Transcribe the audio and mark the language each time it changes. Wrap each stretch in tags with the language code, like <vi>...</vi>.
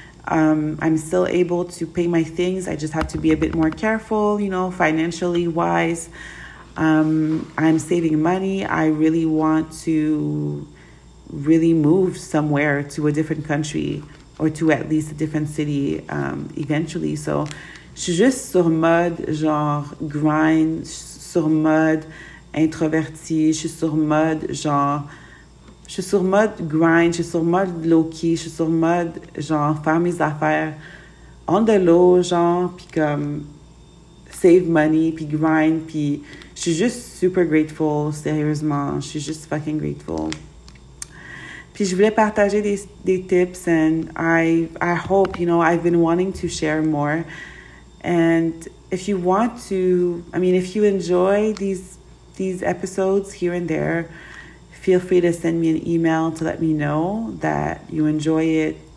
<en>I'm still able to pay my things. I just have to be a bit more careful, you know, financially wise. I'm saving money. I really want to really move somewhere to a different country or to at least a different city eventually.</en> <fr>So, je suis juste sur mode genre grind, sur mode introverti. Je suis sur mode genre. Je suis sur mode grind, je suis sur mode low-key, je suis sur mode, genre, faire mes affaires</fr> <en>on the low,</en> <fr>genre, puis comme,</fr> <en>save money,</en> <fr>puis grind, puis je suis juste</fr> <en>super grateful,</en> <fr>sérieusement, je suis juste</fr> <en>fucking grateful.</en> <fr>Puis je voulais partager des tips,</fr> <en>and I hope, you know, I've been wanting to share more, and if you want to, I mean, if you enjoy these episodes here and there, feel free to send me an email to let me know that you enjoy it.</en>